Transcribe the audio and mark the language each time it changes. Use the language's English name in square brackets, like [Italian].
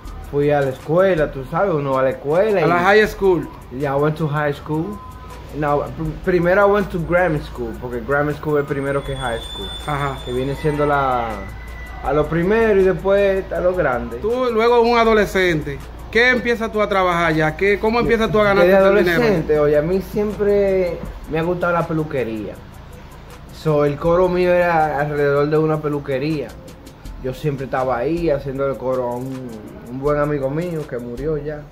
[Spanish] Fui a la escuela, tú sabes, uno va a la escuela. A la high school. [English] Yeah, I went to high school. No, primero I went to grammar school, [Spanish] porque grammar school es primero que high school. Ajá. Que viene siendo a lo primero y después a lo grande. Tú luego un adolescente, ¿qué empiezas tú a trabajar ya? ¿Cómo empiezas tú a ganar tu dinero? Desde adolescente, oye, a mí siempre me ha gustado la peluquería. So, el coro mío era alrededor de una peluquería. Yo siempre estaba ahí haciendo el coro a un buen amigo mío que murió ya.